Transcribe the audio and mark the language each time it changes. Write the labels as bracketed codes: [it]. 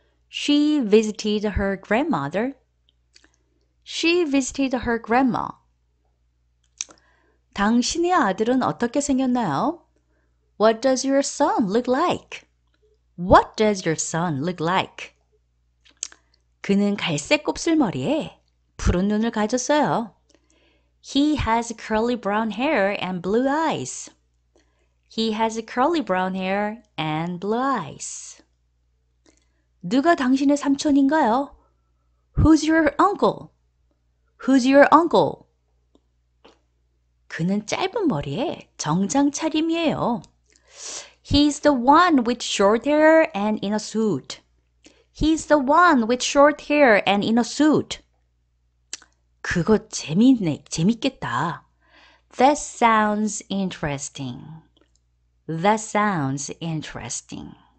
[en] She visited her grandmother. She visited her grandma. [ko] 당신의 아들은 어떻게 생겼나요? [en] What does your son look like? What does your son look like? [ko] 그는 갈색 곱슬머리에 푸른 눈을 가졌어요. [en] He has curly brown hair and blue eyes. He has curly brown hair and blue eyes. [ko] 누가 당신의 삼촌인가요? [en] Who's your uncle? Who's your uncle? [ko] 그는 짧은 머리에 정장 차림이에요. [en] He's the one with short hair and in a suit. He's the one with short hair and in a suit. [ko] 그거 재밌네. 재밌겠다. [en] That sounds interesting. That sounds interesting.